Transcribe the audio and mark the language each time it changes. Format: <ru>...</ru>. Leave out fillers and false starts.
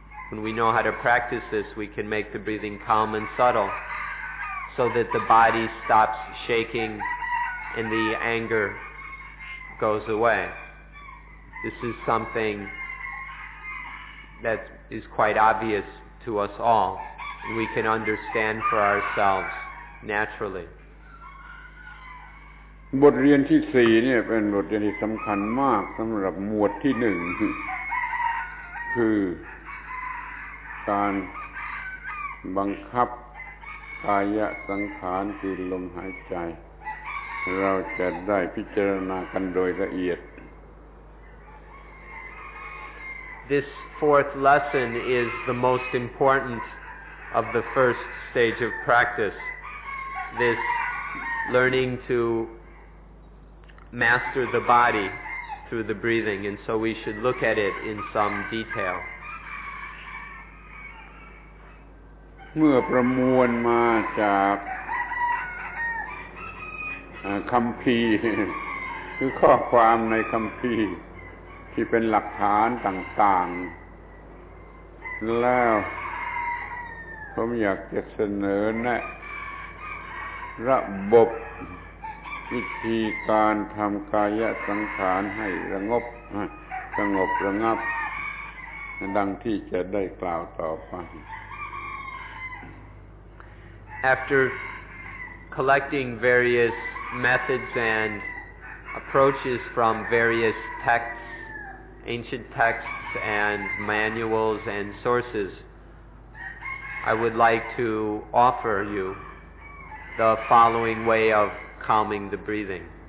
<en>When we know how to practice this, we can make the breathing calm and subtle so that the body stops shaking and the anger goes away. This is something that is quite obvious to us all. We can understand for ourselves naturally.</en> <th>บทเรียนที่สี่เนี่ยเป็นบทเรียนที่สำคัญมากสำหรับหมวดที่หนึ่งคือการบังคับกายสังขารคือลมหายใจเราจะได้พิจารณากันโดยละเอียด</th> <en>This fourth lesson is the most important of the first stage of practice. This learning tomaster the body through the breathing, and so we should look at it in some detail.</en> <th>เมื่อประมวลมาจากคัมภีร์คือข้อความในคัมภีร์ที่เป็นหลักฐานต่างๆแล้วผมอยากจะเสนอแนะระบบวิธีการทำกายสังขารให้สงบระงับดังที่จะได้กล่าวต่อไป</th> <en>After collecting various methods and approaches from various texts, ancient texts and manuals and sources, I would like to offer you the following way ofcalming the breathing.</en>